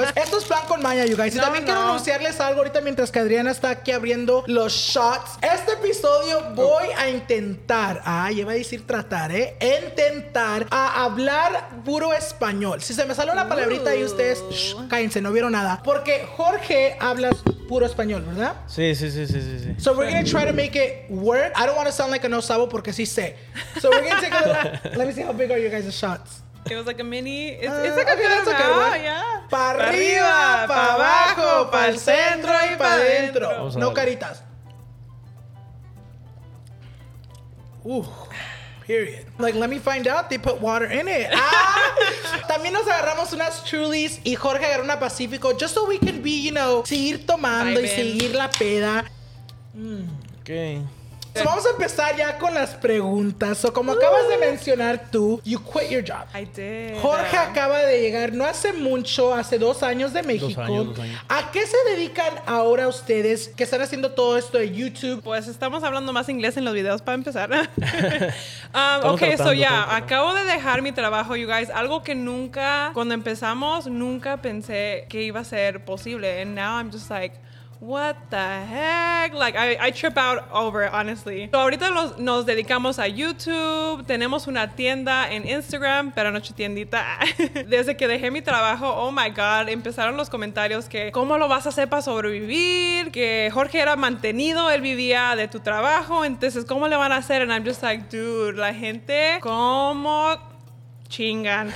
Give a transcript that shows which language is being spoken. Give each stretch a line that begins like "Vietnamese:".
Spanish: Esto es plan con maña,
English: you guys.
Spanish: Y también quiero anunciarles algo ahorita mientras que Adriana está aquí abriendo los shots. Este episodio voy a intentar, lleva a decir tratar, intentar a hablar puro español. Si se me sale una palabrita y ustedes, cállense, no vieron nada. Porque Jorge habla puro español, ¿verdad? Sí.
English: So we're gonna try to make it work. I don't want to sound like a
Spanish: no sabo porque sí sé.
English: So we're gonna take a little, let me see how big are you guys' shots. It was like a mini. It's like a good one.
Spanish: Pa' arriba, pa' abajo, pa' el centro y pa' adentro. No caritas.
English: Period. Like, let me find out. They put water in it.
Spanish: También nos agarramos unas Trulies y Jorge agarró una Pacifico.
English: Just so we can be, you know,
Spanish: seguir tomando Five y seguir la peda.
English: Okay.
Spanish: So vamos a empezar ya con las preguntas. So, como acabas de mencionar tú,
English: you quit your job. I did.
Spanish: Jorge acaba de llegar no hace mucho, hace 2 años de México. Dos años. ¿A qué se dedican ahora ustedes que están haciendo todo esto de YouTube? Pues estamos hablando más inglés en los videos para empezar. Acabo de dejar mi trabajo,
English: you guys.
Spanish: Algo que nunca, cuando empezamos, nunca pensé que iba a ser posible.
English: And now I'm just like, what the heck? Like, I trip out over it, honestly. So
Spanish: ahorita nos dedicamos a YouTube. Tenemos una tienda en Instagram, pero no tiendita. Desde que dejé mi trabajo,
English: oh my God,
Spanish: empezaron los comentarios que, ¿cómo lo vas a hacer para sobrevivir? Que Jorge era mantenido, él vivía de tu trabajo. Entonces, ¿cómo le van a hacer?
English: And I'm just like, dude,
Spanish: la gente, ¿cómo chingan?